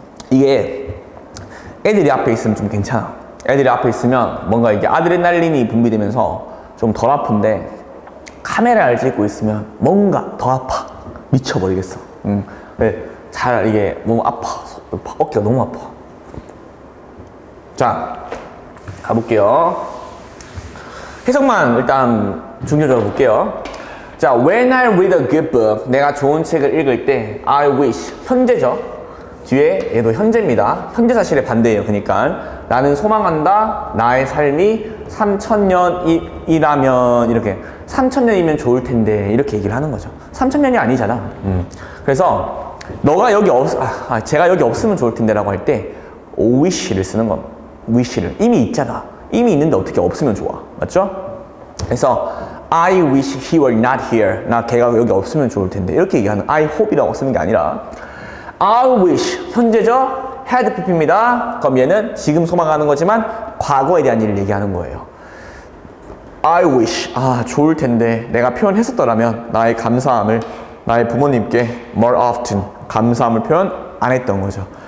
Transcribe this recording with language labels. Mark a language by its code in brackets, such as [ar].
[ko] 이게 애들이 앞에 있으면 좀 괜찮아. 애들이 앞에 있으면 뭔가 이게 아드레날린이 분비되면서 좀 덜 아픈데, 카메라를 찍고 있으면 뭔가 더 아파. 미쳐버리겠어. 잘 이게 몸 아파. 어깨가 너무 아파. 자, 가볼게요. 해석만 일단 중요적으로 볼게요. [en] 자, when I read a good book, [ko] 내가 좋은 책을 읽을 때 [en] I wish, [ko] 현재죠. 뒤에 얘도 현재입니다. 현재 사실의 반대예요. 그러니까 나는 소망한다, 나의 삶이 3000년이라면 이렇게 3000년이면 좋을 텐데 이렇게 얘기를 하는 거죠. 3000년이 아니잖아. 그래서 너가 여기 없, 제가 여기 없으면 좋을 텐데 라고 할 때 wish를 쓰는 건, wish를 이미 있잖아. 이미 있는데 어떻게 없으면 좋아. 맞죠? [en] 그래서 I wish he were not here. [ko] 나 걔가 여기 없으면 좋을 텐데. 이렇게 얘기하는, [en] I hope [ko] 이라고 쓰는 게 아니라 [en] I wish, [ko] 현재죠? had pp입니다. 그럼 얘는 지금 소망하는 거지만 과거에 대한 일을 얘기하는 거예요. I wish, 아 좋을 텐데 내가 표현했었더라면 나의 감사함을 나의 부모님께 [en] more often, [ko] 감사함을 표현 안 했던 거죠.